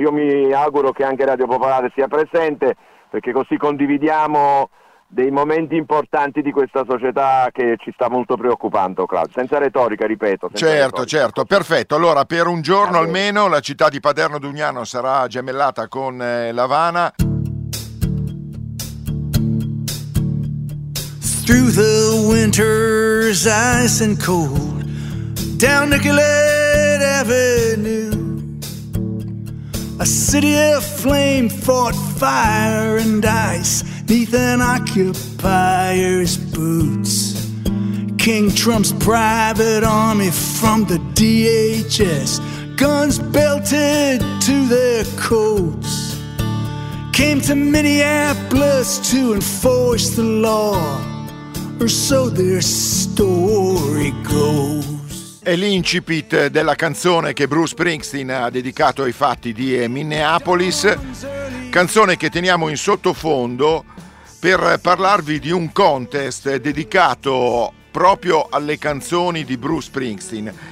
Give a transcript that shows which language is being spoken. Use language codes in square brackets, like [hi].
[it] Io mi auguro che anche Radio Popolare sia presente, perché così condividiamo dei momenti importanti di questa società che ci sta molto preoccupando, Claudio. Senza retorica, ripeto. Senza certo, retorica. Certo, perfetto. Allora, per un giorno almeno la città di Paderno Dugnano sarà gemellata con L'Avana. [en] Through the winter's ice and cold, down Nicolet Avenue, a city aflame fought fire and ice, neath an occupier's boots. King Trump's private army from the DHS, guns belted to their coats, came to Minneapolis to enforce the law, or so their story goes. [it] È l'incipit della canzone che Bruce Springsteen ha dedicato ai fatti di Minneapolis, canzone che teniamo in sottofondo per parlarvi di un contest dedicato proprio alle canzoni di Bruce Springsteen.